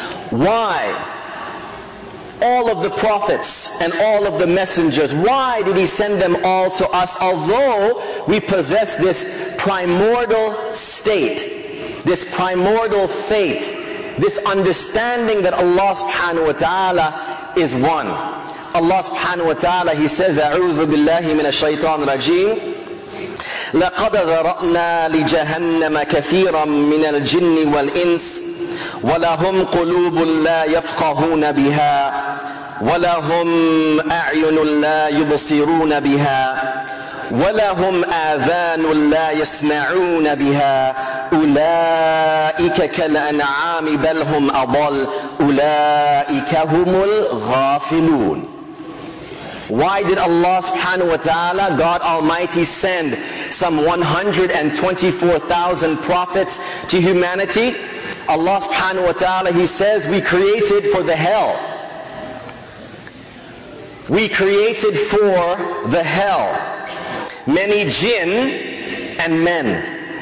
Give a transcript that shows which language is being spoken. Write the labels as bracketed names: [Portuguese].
[English] Why all of the prophets and all of the messengers, why did He send them all to us, although we possess this primordial state, this primordial faith, this understanding that Allah subhanahu wa ta'ala is one? [Arabic] Allah subhanahu wa ta'ala, [English] He says, [Arabic] أَعُوذُ بِاللَّهِ مِنَ الشَّيْطَانِ الرَّجِيمِ لَقَدْ ذَرَأْنَا لِجَهَنَّمَ كَثِيرًا مِنَ الْجِنِّ وَالْإِنسِ وَلَهُمْ قُلُوبٌ لَا يَفْقَهُونَ بِهَا وَلَهُمْ أَعْيُنٌ لَا يُبْصِرُونَ بِهَا وَلَهُمْ آذَانٌ لَا يَسْمَعُونَ بِهَا أُولَئِكَ كَالْأَنْعَامِ بَلْ هُمْ أَضَلُّ أُولَئِكَ هُمُ الْغَافِلُونَ. [English] Why did Allah subhanahu wa ta'ala, God Almighty, send some 124,000 prophets to humanity? Allah subhanahu wa ta'ala, He says, we created for the hell. We created for the hell many jinn and men.